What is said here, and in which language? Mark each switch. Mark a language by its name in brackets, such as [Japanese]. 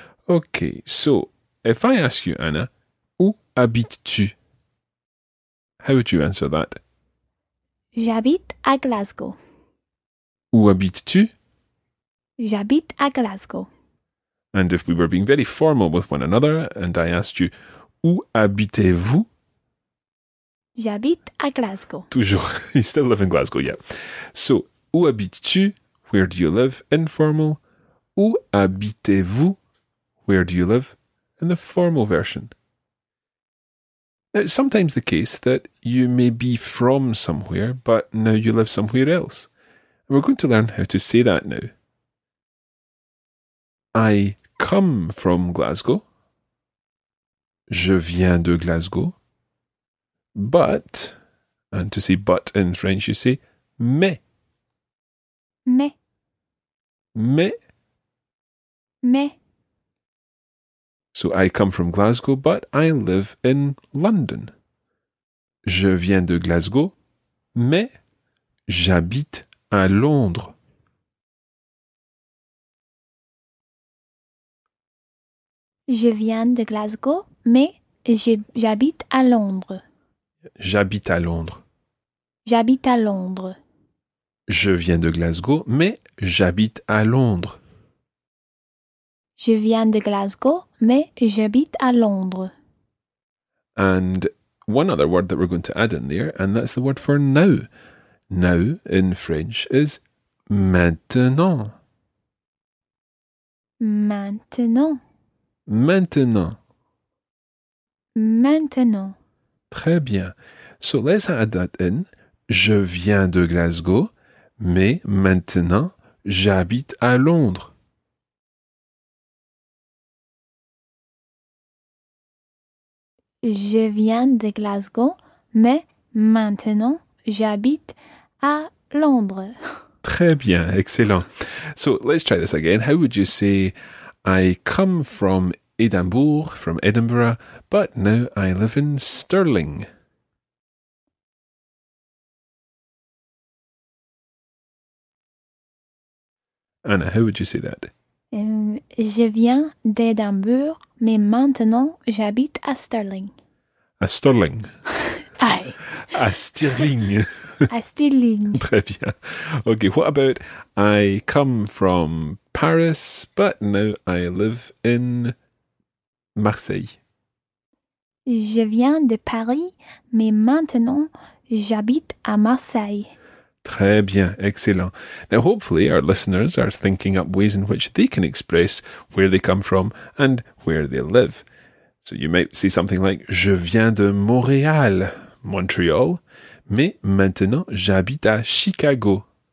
[English] Okay, so if I ask you, Anna, [French] où habites-tu? [English] How would you answer that? [French] J'habite à Glasgow. Où habites-tu? J'habite à Glasgow. [English] And if we were being very formal with one another and I asked you, [French] où habitez-vous? J'habite à Glasgow. Toujours. [English] You still live in Glasgow, yeah. So, [French] où habites-tu? [English] Where do you live? Informal. [French] Où habitez-vous? [English] Where do you live? In the formal version. Now, it's sometimes the case that you may be from somewhere, but now you live somewhere else. And we're going to learn how to say that now. I come from Glasgow. [French] Je viens de Glasgow. [English] But, and to say but in French, you say mais. [French] Mais. Mais. Mais. [English] So I come from Glasgow, but I live in London. [French] Je viens de Glasgow, mais j'habite à Londres. Je viens de Glasgow, mais j'habite à Londres. J'habite à Londres. J'habite à Londres. Je viens de Glasgow, mais j'habite à Londres. Je viens de Glasgow, mais j'habite à Londres. [English] And one other word that we're going to add in there, and that's the word for now. Now in French is maintenant. [French] Maintenant. Maintenant. Maintenant. Très bien. [English] So let's add that in. [French] Je viens de Glasgow, mais maintenant j'habite à Londres. Je viens de Glasgow, mais maintenant j'habite à Londres. Très bien, excellent. [English] So let's try this again. How would you say, I come from Edinburgh, but now I live in Stirling? Anna, how would you say that? [French] Je viens d'Edimbourg, mais maintenant j'habite à Stirling. À Stirling. [English] Aye. [French] À Stirling. À Stirling. Très bien. [English] Okay, what about I come from Paris, but now I live in Marseille. [French] Je viens de Paris, mais maintenant j'habite à Marseille. Très bien, excellent. [English] Now, hopefully, our listeners are thinking up ways in which they can express where they come from and where they live. So you might say something like, [French] je viens de Montréal, [English] Montreal, [French] mais maintenant j'habite à Chicago.